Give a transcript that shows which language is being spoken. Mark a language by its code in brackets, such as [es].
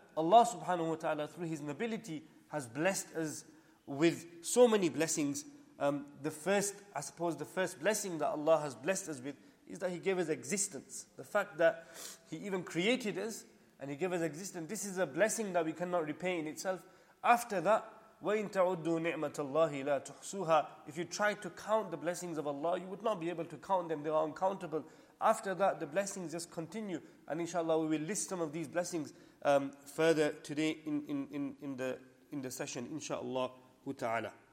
[en] Allah subhanahu wa ta'ala, through His nobility, has blessed us with so many blessings. The first blessing that Allah has blessed us with is that He gave us existence. The fact that He even created us and He gave us existence, this is a blessing that we cannot repay in itself. After that, [ar] وَإِن تَعُدُّوا نِعْمَةَ اللَّهِ لَا تُحْصُوهَا. [en] If you try to count the blessings of Allah, you would not be able to count them. They are uncountable. After that, the blessings just continue. And inshallah, we will list some of these blessings further today in the session, inshallah ta'ala.